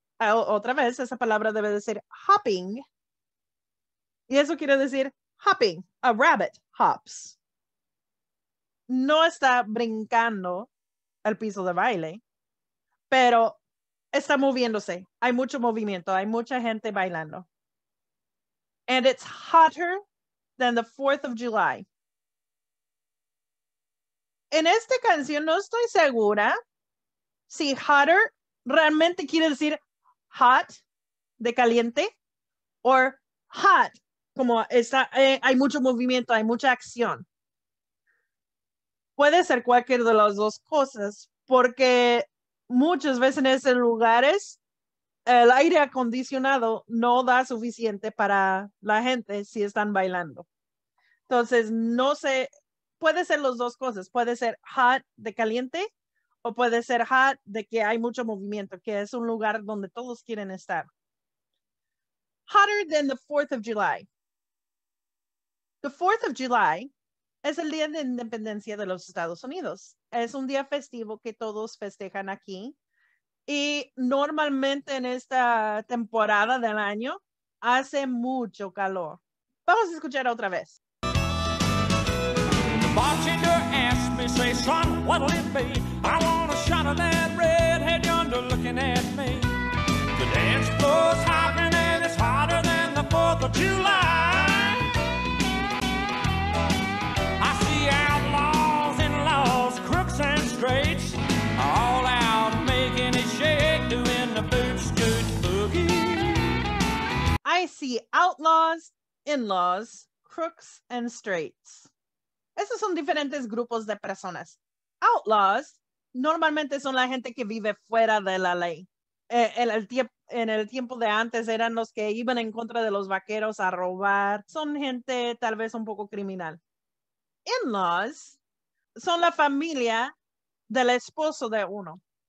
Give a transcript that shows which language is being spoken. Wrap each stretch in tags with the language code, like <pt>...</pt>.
<es>otra vez, esa palabra debe decir hopping. Y eso quiere decir hopping.</es> <en>A rabbit hops.</en> <es>No está brincando el piso de baile, pero está moviéndose. Hay mucho movimiento. Hay mucha gente bailando.</es> <en>And it's hotter than the 4th of July.</en> <es>En esta canción no estoy segura si hotter realmente quiere decir hot, de caliente, or hot, como está, hay mucho movimiento, hay mucha acción. Puede ser cualquier de las dos cosas, porque muchas veces en lugares el aire acondicionado no da suficiente para la gente si están bailando. Entonces, no sé, puede ser las dos cosas. Puede ser hot, de caliente, o puede ser hot, de que hay mucho movimiento, que es un lugar donde todos quieren estar.</es> <en>Hotter than the 4th of July. The 4th of July</en> <es>es el Día de Independencia de los Estados Unidos. Es un día festivo que todos festejan aquí. Y normalmente en esta temporada del año hace mucho calor. Vamos a escuchar otra vez.</es> <en>The bartender asked me, say, son, what'll it be? I want a shot of that redhead yonder looking at me. The dance floor's hopping and it's hotter than the 4th of July. I see outlaws and laws, crooks and straights, all out making a shake, doing the boot scoot boogie. I see outlaws, in-laws, crooks and straights.</en> <es>Esos son diferentes grupos de personas. Outlaws normalmente son la gente que vive fuera de la ley. En el tiempo de antes eran los que iban en contra de los vaqueros a robar. Son gente tal vez un poco criminal. In-laws son la familia del esposo de uno.</es>